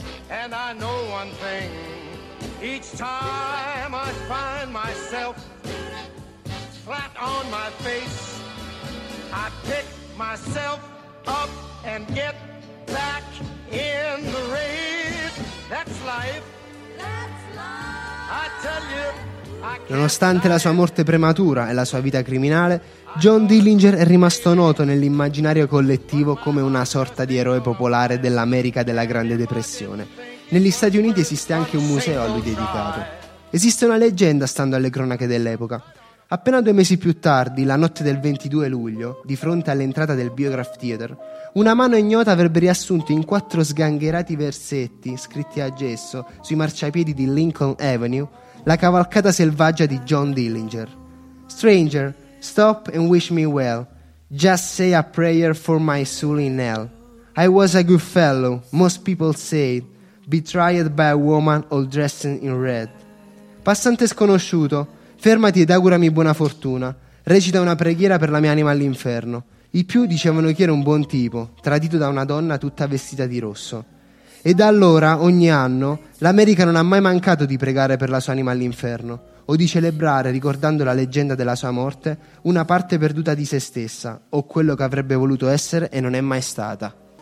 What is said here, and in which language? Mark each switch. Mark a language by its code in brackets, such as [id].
[en] And I know one thing, each time I find myself flat on my face, I pick myself up and get back in the race. That's life. I tell you. [it] Nonostante la sua morte prematura e la sua vita criminale, John Dillinger è rimasto noto nell'immaginario collettivo come una sorta di eroe popolare dell'America della Grande Depressione. Negli Stati Uniti esiste anche un museo a lui dedicato. Esiste una leggenda, stando alle cronache dell'epoca. Appena due mesi più tardi, la notte del 22 luglio, di fronte all'entrata del Biograph Theater, una mano ignota avrebbe riassunto in quattro sgangherati versetti, scritti a gesso, sui marciapiedi di Lincoln Avenue, la cavalcata selvaggia di John Dillinger. [en] Stranger, stop and wish me well. Just say a prayer for my soul in hell. I was a good fellow, most people say. Betrayed by a woman all dressed in red. [it] Passante sconosciuto, fermati ed augurami buona fortuna. Recita una preghiera per la mia anima all'inferno. I più dicevano che era un buon tipo, tradito da una donna tutta vestita di rosso. E da allora, ogni anno, l'America non ha mai mancato di pregare per la sua anima all'inferno o di celebrare, ricordando la leggenda della sua morte, una parte perduta di se stessa o quello che avrebbe voluto essere e non è mai stata.